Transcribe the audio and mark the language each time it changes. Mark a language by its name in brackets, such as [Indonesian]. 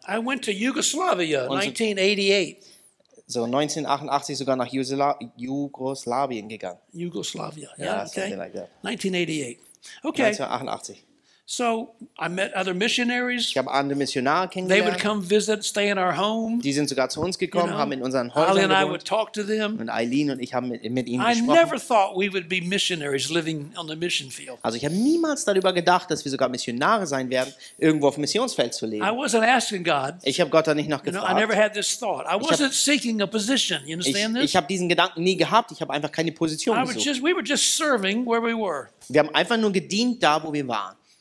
[English] I went to Yugoslavia 1988. [German] So 1988 sogar nach Jugoslawien gegangen. [English] Yugoslavia. Yeah, okay. Something like that. 1988. Okay. 1988. So I met other missionaries. [German] Ich habe andere Missionare kennengelernt. [English] They would come visit, stay in our home. [German] Die sind sogar zu uns gekommen, haben in unseren Häusern gewohnt. [English] Eileen and I would talk to them. [German] Und Eileen und ich haben mit ihnen gesprochen. [English] I never thought we would be missionaries living on the mission field. [German] Also ich habe niemals darüber gedacht, dass wir sogar Missionare sein werden, irgendwo auf dem Missionsfeld zu leben. [English] I wasn't asking God. [German] Ich habe Gott da nicht nach gefragt. [English] I never had this thought. I wasn't seeking a position. You understand this? [German] Ich habe diesen Gedanken nie gehabt. Ich habe einfach keine Position gesucht. [English] We were just serving where we were. [German] Wir haben einfach nur gedient da, wo wir waren.